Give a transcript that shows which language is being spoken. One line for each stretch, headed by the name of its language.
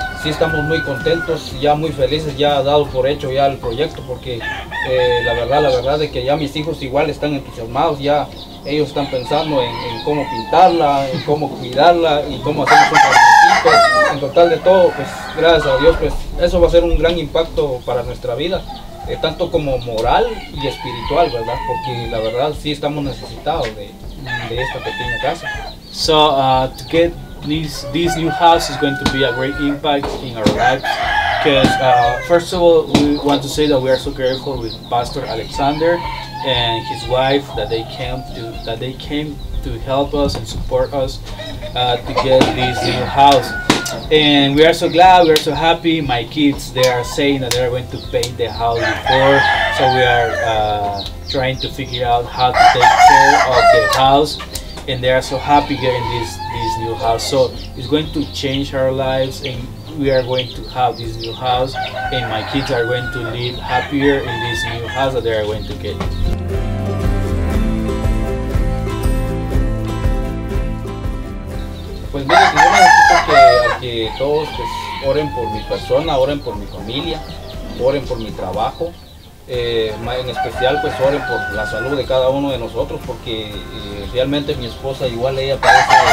Spanish: Sí, estamos muy contentos, ya muy felices, ya dado por hecho ya el proyecto, porque la verdad de que ya mis hijos igual están entusiasmados, ya ellos están pensando en cómo pintarla, en cómo cuidarla y cómo hacer un jardincito. En total de todo, pues gracias a Dios, pues eso va a ser un gran impacto para nuestra vida, tanto como moral y espiritual, ¿verdad? Porque la verdad sí estamos necesitados de esta pequeña casa.
English: So, to get this new house is going to be a great impact in our lives because first of all we want to say that we are so grateful with Pastor Alexander and his wife that they came to help us and support us to get this new house, and we are so glad, we are so happy. My kids, they are saying that they are going to paint the house before, so we are trying to figure out how to take care of the house, and they are so happy getting this new house. So it's going to change our lives, and we are going to have this new house, and my kids are going to live happier in this new house that they are going to get.
Spanish: Pues mira, yo necesito que todos pues oren por mi persona, oren por mi familia, oren por mi trabajo, en especial pues oren por la salud de cada uno de nosotros, porque realmente mi esposa igual ella parece